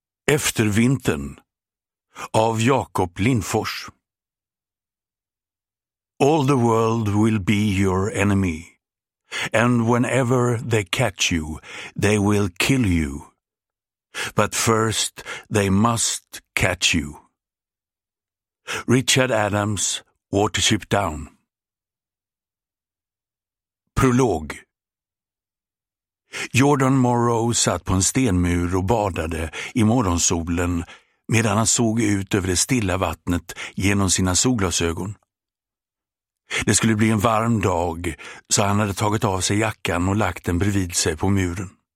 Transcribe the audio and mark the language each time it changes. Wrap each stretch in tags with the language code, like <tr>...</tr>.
<sv>Efter vintern av Jakob Lindfors.</sv> <en>All the world will be your enemy, and whenever they catch you, they will kill you. But first they must catch you. Richard Adams, Watership Down.</en> <sv>Prolog. Jordan Morrow satt på en stenmur och badade i morgonsolen medan han såg ut över det stilla vattnet genom sina solglasögon. Det skulle bli en varm dag, så han hade tagit av sig jackan och lagt den bredvid sig på muren.</sv>